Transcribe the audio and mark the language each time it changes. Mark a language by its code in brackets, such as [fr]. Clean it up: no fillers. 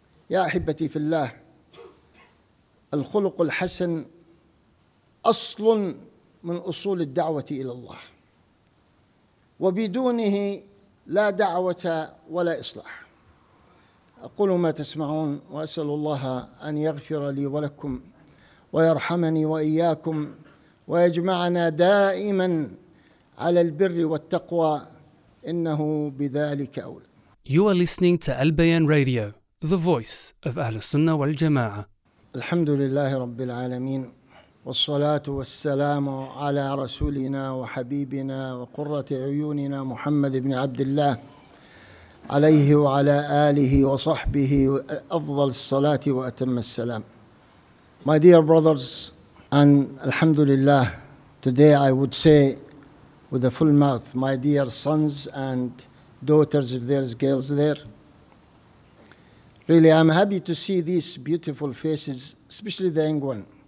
[ar] يا أحبتي في الله، الخلق الحسن أصل من أصول الدعوة إلى الله، وبدونه لا دعوة ولا إصلاح. أقول ما تسمعون، وأسأل الله أن يغفر لي ولكم ويرحمني وإياكم، ويجمعنا دائما على البر والتقوى، إنه بذلك أولى. [en] You are listening to Al-Bayan Radio, the voice of [ar] أهل السنة والجماعة. الحمد لله رب العالمين، والصلاة والسلام على رسولنا وحبيبنا وقرة عيوننا محمد بن عبد الله، عليه وعلى آله وصحبه أفضل الصلاة وأتم السلام. [en] My dear brothers, and alhamdulillah, today I would say with a full mouth, my dear sons and daughters, if there's girls there. Really, I'm happy to see these beautiful faces, especially the young one.